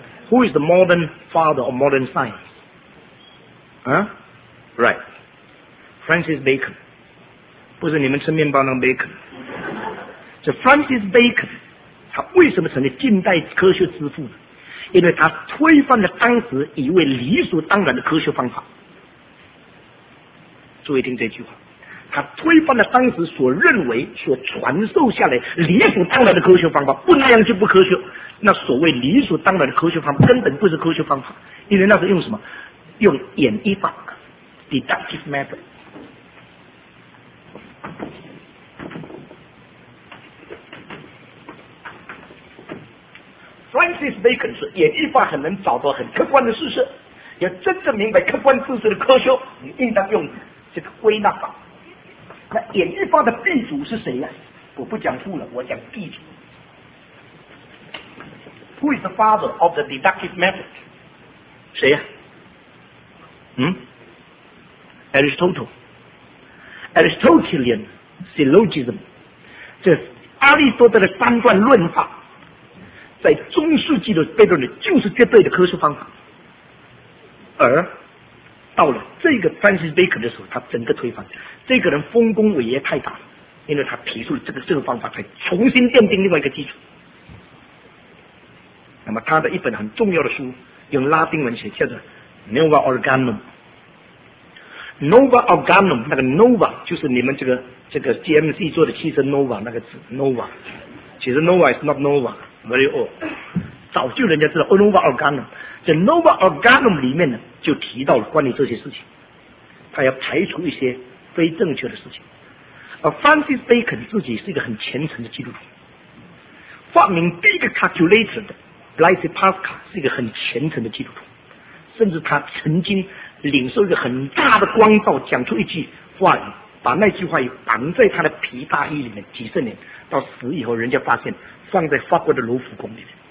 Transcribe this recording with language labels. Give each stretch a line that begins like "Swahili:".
English: Who is the modern father of modern science? Huh? Right. Francis Bacon.
Chinese: 不是你们吃面包那个 Bacon。
English: So
Chinese: Francis Bacon 他为什么成为近代科学之父呢？因为他推翻了当时以为理所当然的科学方法。注意听这句话，他推翻了当时所认为所传授下来理所当然的科学方法。不那样就不科学，那所谓理所当然的科学方法根本不是科学方法，因为那是用什么？用演绎法 deductive method。 Francis Bacon 说演绎法很能找到很客观的事实，要真正明白客观事实的科学，你应当用这个归纳法。那演绎法的鼻祖是谁呀？我不讲父了，我讲鼻祖。
English: Who is the father of the deductive method?
Chinese: 谁呀？ Aristotelian syllogism， 这阿里斯多德的三段论法，在中世纪的辩论里就是绝对的科学方法。而到了这个 Francis Bacon 的时候，他整个推翻。这个人丰功伟业太大了，因为他提出了这个方法，才重新奠定另外一个基础。那么他的一本很重要的书用拉丁文写，叫做 Nova Organum。 Nova Organum， 那个 Nova 就是你们这个 GMC 做的汽车 Nova 那个字 Nova， 其实
English: Nova is not Nova very old，
Chinese: 早就人家知道 Nova Organum。这 Nova Organum 里面呢就提到了关于这些事情，他要排除一些非正确的事情。而 Francis Bacon 自己是一个很虔诚的基督徒，发明第一个 calculator 的Blaise Pascal 是一个很虔诚的基督徒，甚至他曾经领受一个很大的光照，讲出一句话语，把那句话语绑在他的皮大衣里面几十年，到死以后人家发现放在法国的卢浮宫里面。